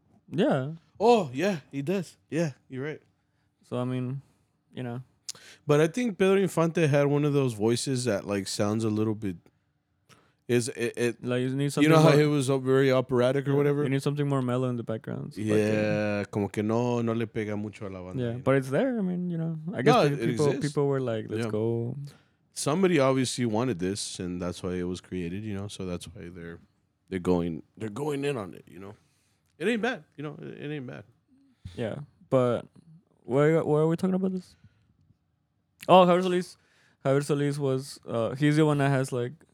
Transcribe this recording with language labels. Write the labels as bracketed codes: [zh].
[en] Yeah. Oh, yeah, he does. Yeah, you're right. So, I mean, you know. But I think Pedro Infante had one of those voices that, like, sounds a little bit... You know how he was very operatic or whatever? You need something more mellow in the background. So yeah, like, [es] como que no le pega mucho a la banda. [en] Yeah, but it's there, I mean, you know. I guess people were like, let's go. Somebody obviously wanted this, and that's why it was created, you know. So that's why they're going in on it, you know. It ain't bad, you know. It ain't bad. Yeah, but where are we talking about this? Oh, Javier Solis was he's the one that has like